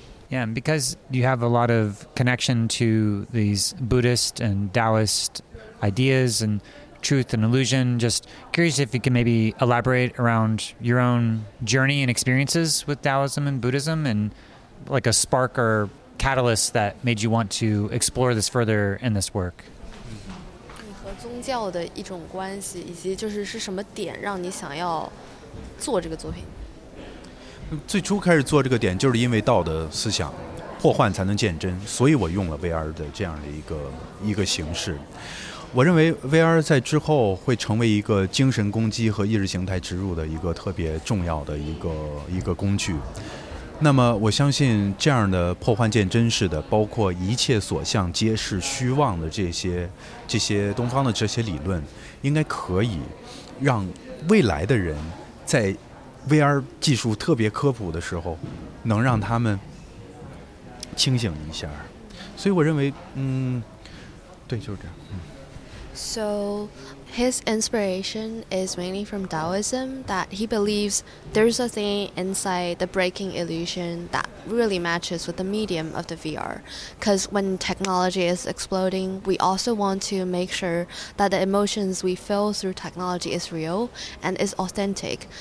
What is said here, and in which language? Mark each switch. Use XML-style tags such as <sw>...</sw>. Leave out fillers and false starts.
<en>Yeah, and because you have a lot of connection to these Buddhist and Taoist ideas and truth and illusion, just curious if you can maybe elaborate around your own journey and experiences with Taoism and Buddhism and like a spark or catalyst that made you want to explore this further in this work.</en> <zh>和宗教的一种关系以及就是什么点让你想要做这个作品最初开始做这个点就是因为道的思想破幻才能见真所以我用了 VR 的这样的一个形式我认为 VR 在之后会成为一个精神攻击和意识形态植入的一个特别重要的一个工具。那么我相信这样的破幻见真实的，包括一切所向皆是虚妄的这些东方的这些理论，应该可以让未来的人在 VR 技术特别科普的时候能让他们清醒一下。所以我认为对，就是这样。</zh> <en>So his inspiration is mainly from Taoism, that he believes there's a thing inside the breaking illusion that really matches with the medium of the VR. Because when technology is exploding, we also want to make sure that the emotions we feel through technology is real and is authentic.</en>